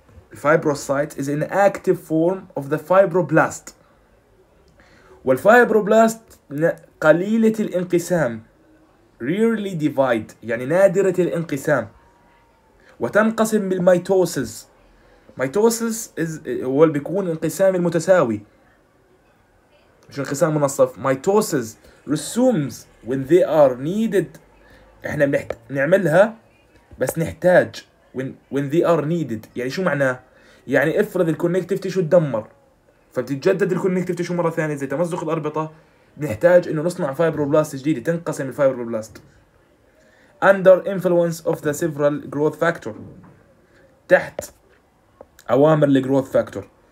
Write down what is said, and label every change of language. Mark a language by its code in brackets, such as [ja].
[en] فالفايبروسايت is inactive form of the fibroblast. [ar] والفايبروبلاست قليلة الانقسام [en] rarely divide، [ar] يعني نادرة الانقسام، وتنقسم بالميتوسيس. ميتوسيس هو بيكون انقسام المتساوي، مش انقسام منصف. [en] mitosis resumes when they are needed. [ar] احنا نعملها بس نحتاج [en] when they are needed. [ar] يعني شو معناه؟ يعني افرض الكونكتيف تيشو تدمر فبتتجدد الكونكتيف تيشو مره ثانيه زي تمزق الاربطه، نحتاج انه نصنع فايبروبلاست جديده تنقسم الفايبروبلاست [en] under influence of the several growth factor، [ar] تحت اوامر الجروث فاكتور.